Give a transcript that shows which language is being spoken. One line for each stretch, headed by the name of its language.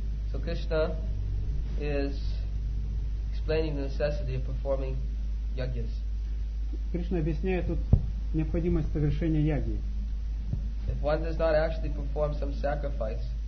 English: So Krishna is explaining the necessity of performing yagyas.
Russian: Krishna объясняет тут необходимость совершения яги.
English: If one does not actually perform some sacrifice,